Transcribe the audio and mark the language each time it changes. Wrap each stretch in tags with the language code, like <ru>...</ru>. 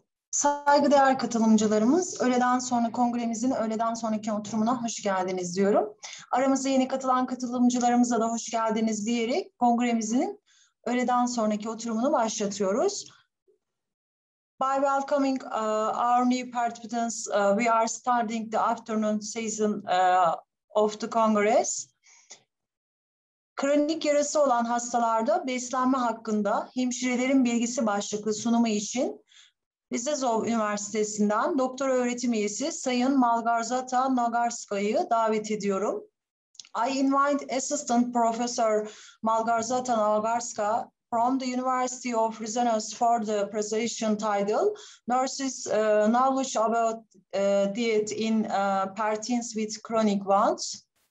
<tr>Saygıdeğer katılımcılarımız, öğleden sonra kongremizin öğleden sonraki oturumuna hoş geldiniz diyorum. Aramıza yeni katılan katılımcılarımıza da hoş geldiniz diyerek kongremizin öğleden sonraki oturumunu başlatıyoruz.</tr> <en>By welcoming our new participants, we are starting the afternoon session of the Congress.</en> <tr>Kronik yarası olan hastalarda beslenme hakkında hemşirelerin bilgisi başlıklı sunumu için Rzeszow Üniversitesi'nden doktor öğretim üyesi Sayın Malgorzata Nagorska'yı davet ediyorum.</tr> <en>I invite Assistant Professor Malgorzata Nagorska from the University of Rzeszow for the presentation title, Nurses' Knowledge about Diet in Patients with Chronic Wounds.</en>